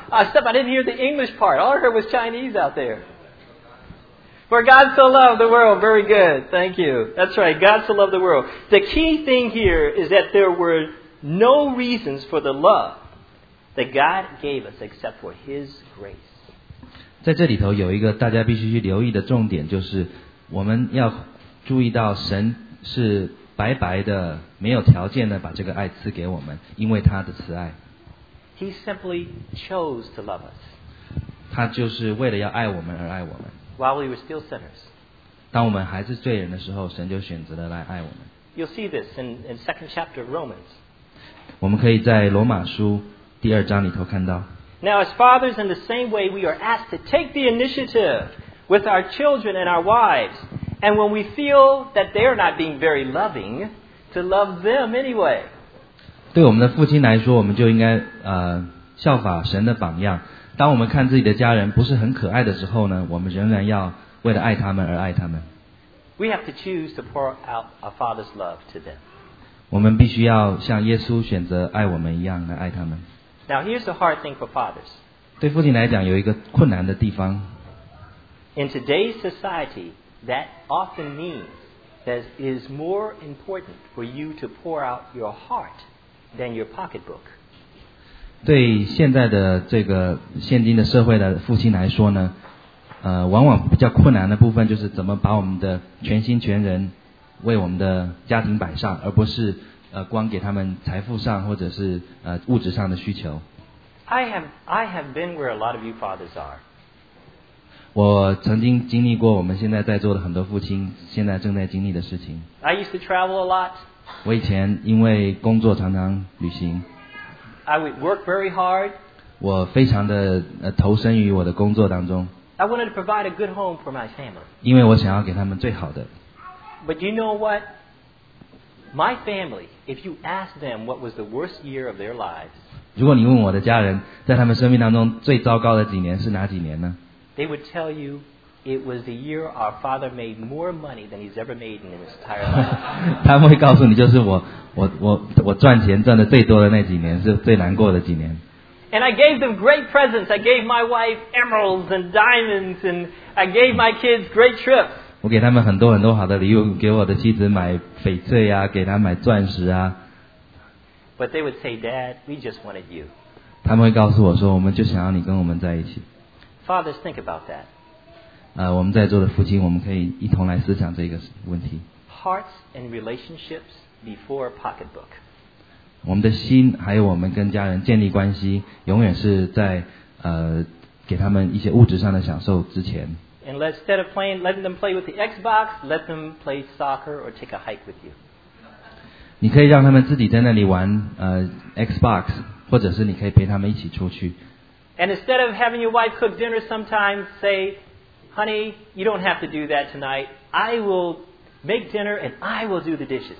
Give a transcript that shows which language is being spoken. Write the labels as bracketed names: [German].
[English] Except I didn't hear the English part. All I heard was Chinese out there. For God so loved the world. Very good. Thank you. That's right. God so loved the world. The key thing here is that there were no reasons for the love that God gave us except for His grace. [Chinese] 在这里头有一个大家必须去留意的重点，就是我们要注意到神是白白的没有条件的把这个爱赐给我们，因为他的慈爱。 [English] He simply chose to love us. [Chinese] 他就是为了要爱我们而爱我们。 [English] While we were still sinners. [Chinese] 当我们还是罪人的时候，神就选择了来爱我们。 [English] You'll see this in second chapter of Romans. [Chinese] 我们可以在罗马书第二章里头看到。 [English] Now as fathers in the same way we are asked to take the initiative with our children and our wives. And when we feel that they are not being very loving, to love them anyway. [Chinese] 对我们的父亲来说，我们就应该效法神的榜样。当我们看自己的家人不是很可爱的时候呢，我们仍然要为了爱他们而爱他们。 [English] We have to choose to pour out our Father's love to them. [Chinese] 我们必须要像耶稣选择爱我们一样来爱他们。 [English] Now here's the hard thing for fathers. [Chinese] 对父亲来讲有一个困难的地方。 [English] In today's society, that often means that it is more important for you to pour out your heart than your pocketbook. [Chinese] 对现在的这个现今的社会的父亲来说呢，往往比较困难的部分就是怎么把我们的全心全人为我们的家庭摆上，而不是光给他们财富上或者是物质上的需求。 [English] I have been where a lot of you fathers are. [Chinese] 我曾经经历过我们现在在座的很多父亲现在正在经历的事情。 [English] I used to travel a lot. [Chinese] 我以前因为工作常常旅行。 [English] I would work very hard. [Chinese] 我非常的投身于我的工作当中。 [English] I wanted to provide a good home for my family. [Chinese] 因为我想要给他们最好的。 [English] But you know what? My family, if you ask them what was the worst year of their lives, [Chinese] 如果你问我的家人，在他们生命当中最糟糕的几年是哪几年呢？ [English] They would tell you it was the year our father made more money than he's ever made in his entire life. [Chinese] 他们会告诉你，就是我赚钱赚的最多的那几年是最难过的几年。 [English] And I gave them great presents. I gave my wife emeralds and diamonds, and I gave my kids great trips. [Chinese] 我给他们很多很多好的礼物，给我的妻子买翡翠啊，给她买钻石啊。 [English] But they would say, "Dad, we just wanted you." [Chinese] 他们会告诉我说，我们就想要你跟我们在一起。 [English] Fathers, think about that. [Chinese] 我们在座的父亲，我们可以一同来思想这个问题。 [English] Hearts and relationships. Before pocketbook. [Chinese] 我们的心还有我们跟家人建立关系永远是在给他们一些物质上的享受之前。 [English] And instead of playing, letting them play with the Xbox, let them play soccer or take a hike with you. [Chinese] 你可以让他们自己在那里玩Xbox, 或者是你可以陪他们一起出去。 [English] And instead of having your wife cook dinner sometimes, say, honey, you don't have to do that tonight. I will... Make dinner and I will do the dishes.